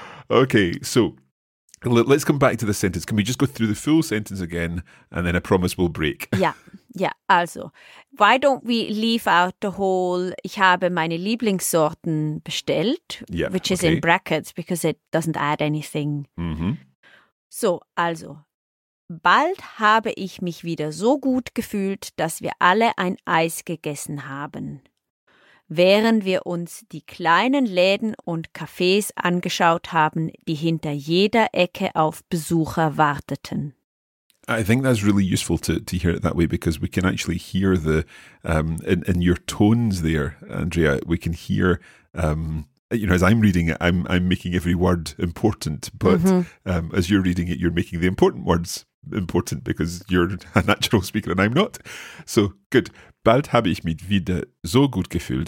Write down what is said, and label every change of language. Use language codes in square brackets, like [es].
[en] Okay, so let's come back to the sentence. Can we just go through the full sentence again, and then I promise we'll break. Yeah. Also, why don't we leave out the whole [de] "Ich habe meine Lieblingssorten bestellt," [en] which is in brackets because it doesn't add anything. [de] So, also, bald habe ich mich wieder so gut gefühlt, dass wir alle ein Eis gegessen haben. Während wir uns die kleinen Läden und Cafés angeschaut haben, die hinter jeder Ecke auf Besucher warteten. [en] I think that's really useful to hear it that way, because we can actually hear the, in your tones there, Andrea, we can hear... you know, as I'm reading it, I'm making every word important. But as you're reading it, you're making the important words important, because you're a natural speaker and I'm not. So, good. [de] Bald habe ich mich wieder so gut gefühlt.